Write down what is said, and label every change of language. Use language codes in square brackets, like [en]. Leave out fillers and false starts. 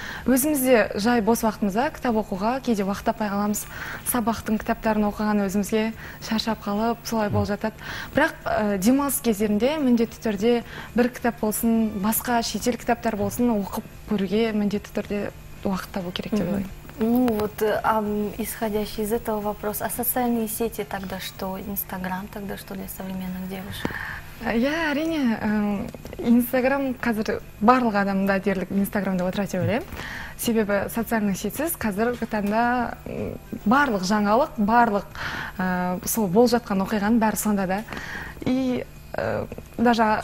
[kk] Өзімізде жай бос уақытымызда кітап оқуға кейде уақыт таппай қаламыз. Сабақтың кітаптарын оқыған өзімізге шаршап қалып, солай болып жатады. Бірақ демалыс кезінде міндетті түрде бір кітап болсын, басқа шетел кітаптар болсын, оқып көруге міндетті түрде уақыт табу керек деп ойлаймын. [ru] Исходящий из этого вопрос, а социальные сети тогда что, Инстаграм тогда что для современных девушек? Я [kk] әрине Инстаграм, қазір барлық адамда дерлік Инстаграмда отыра деп ойлаймын. Себебі [ru] социальный [kk] сетсіз қазіргі таңда барлық жаңалық, барлық сол болып жатқан оқиғаның бәрі сонда да. [ru] И даже